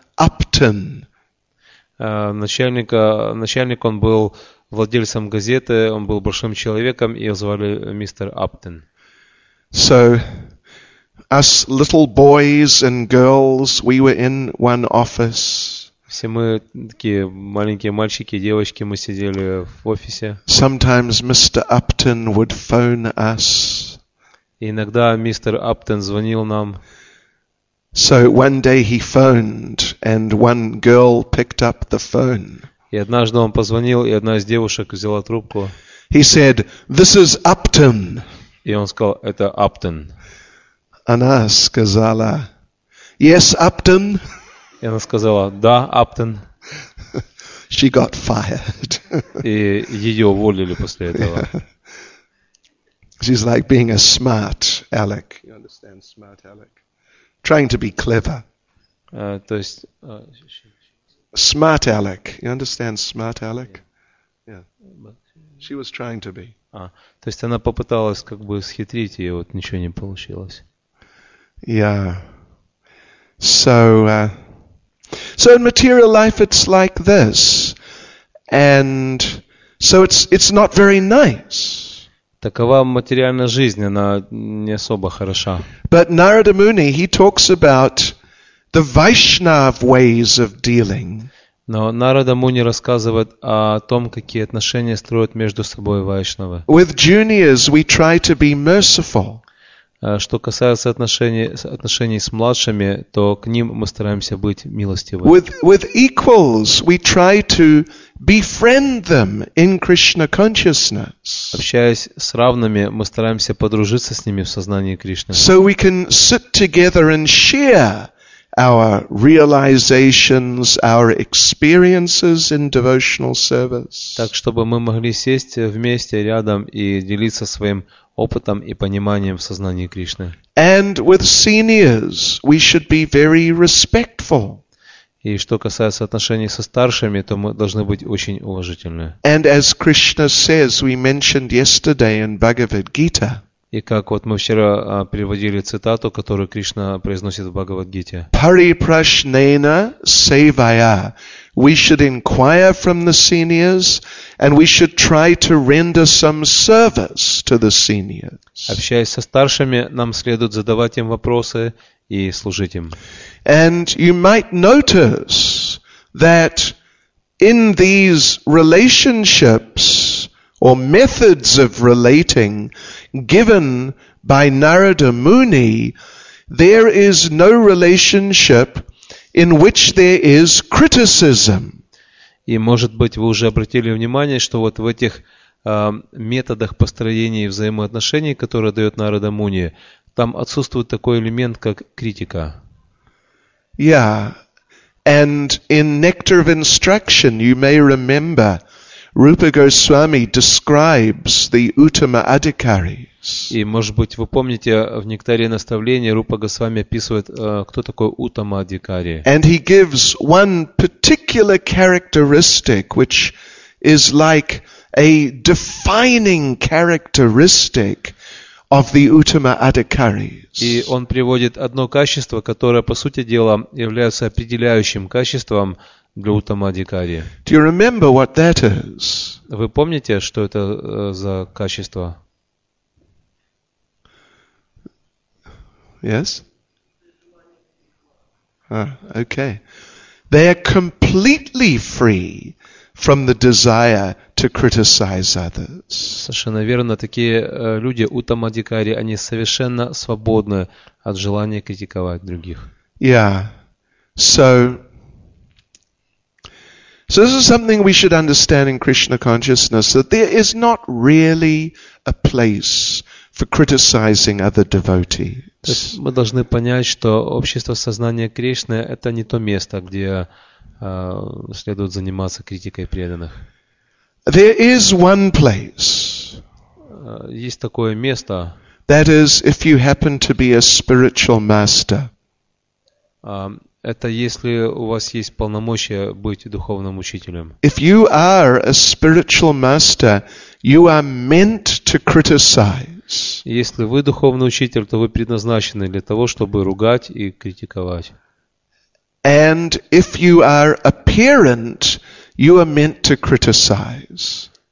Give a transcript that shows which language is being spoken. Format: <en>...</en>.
<en>Upton.</en> <ru>Начальник он был владельцем газеты, он был большим человеком, его звали мистер Аптон.</ru> <en>So, us little boys and girls, we were in one office.</en> <ru>Все мы такие маленькие мальчики, девочки, мы сидели в офисе.</ru> <en>Sometimes Mr. Upton would phone us.</en> <ru>И иногда мистер Аптон звонил нам.</ru> <en>So one day he phoned, and one girl picked up the phone.</en> <ru>И однажды он позвонил, и одна из девушек взяла трубку.</ru> <en>He said, "This is Upton."</en> <ru>И он сказал, это Аптон. Она сказала,</ru> <en>"Yes,</en> <ru>Upton." И она сказала, да, Аптон.</ru> <en>She got fired.</en> <ru>И ее уволили после этого.</ru> <en>Yeah. She's like being a smart aleck. You understand smart aleck? Trying to be clever.</en> <ru>То есть...</ru> <en>Smart aleck. You understand smart aleck? Yeah. She was trying to be.</en> <ru>То есть она попыталась как бы схитрить, и вот ничего не получилось.</ru> <en>Yeah. So in material life it's like this. And so it's not very nice.</en> <ru>Такова материальная жизнь, она не особо хороша.</ru> <en>But Narada Muni, he talks about the Vaishnav ways of dealing.</en> <ru>Но Нарада Муни рассказывает о том, какие отношения строят между собой вайшнавы.</ru> <en>With juniors we try to be merciful.</en> <ru>Что касается отношений с младшими, то к ним мы стараемся быть милостивыми.</ru> <en>With equals, we try to befriend them in Krishna consciousness.</en> <ru>Общаясь с равными, мы стараемся подружиться с ними в сознании Кришны.</ru> <en>So we can sit together and share our realizations, our experiences in devotional service.</en> <ru>Так, чтобы мы могли сесть вместе рядом и делиться своим опытом и пониманием в сознании Кришны.</ru> <en>And with seniors, we should be very respectful.</en> <ru>И что касается отношений со старшими, то мы должны быть очень уважительны.</ru> <en>And as Krishna says, we mentioned yesterday in Bhagavad Gita.</en> <ru>И как вот мы вчера приводили цитату, которую Кришна произносит в Бхагавад-гите.</ru> <sa>Парипрашнена севая.</sa> <en>We should inquire from the seniors, and we should try to render some service to the seniors.</en> <ru>Общаясь со старшими, нам следует задавать им вопросы и служить им.</ru> <en>And you might notice that in these relationships or methods of relating given by Narada Muni, there is no relationship in which there is criticism.</en> <ru>И, может быть, вы уже обратили внимание, что вот в этих методах построения взаимоотношений, которые дает Нарада Муни, там отсутствует такой элемент, как критика.</ru> <en>Yeah. And in Nectar of Instruction, you may remember, Rupa Goswami describes the Uttama Adhikaris.</en> <ru>И, может быть, вы помните, в Нектаре наставления Рупа Госвами описывает, кто такой Уттама Адхикари.</ru> <en>And he gives one particular characteristic, which is like a defining characteristic of the Uttama Adhikaris.</en> <ru>И он приводит одно качество, которое, по сути дела, является определяющим качеством для Уттама Адхикари.</ru> <en>Do you remember what that is?</en> <ru>Вы помните, что это за качество?</ru> <en>Yes? Okay. They are completely free from the desire to criticize others.</en> <ru>Совершенно верно. Такие люди, Уттама Адхикари, они совершенно свободны от желания критиковать других.</ru> <en>Yeah. So this is something we should understand in Krishna consciousness, that there is not really a place for criticizing other devotees.</en> <ru>То есть мы должны понять, что общество сознания Кришны – это не то место, где следует заниматься критикой преданных.</ru> <en>There is one place.</en> <ru>Есть такое место.</ru> <en>That is, if you happen to be a spiritual master.</en> <ru>Это если у вас есть полномочия быть духовным учителем.</ru> <en>If you are a spiritual master, you are meant to criticize.</en> <ru>Если вы духовный учитель, то вы предназначены для того, чтобы ругать и критиковать.</ru> <en>And if you are a parent, you are meant to criticize.</en>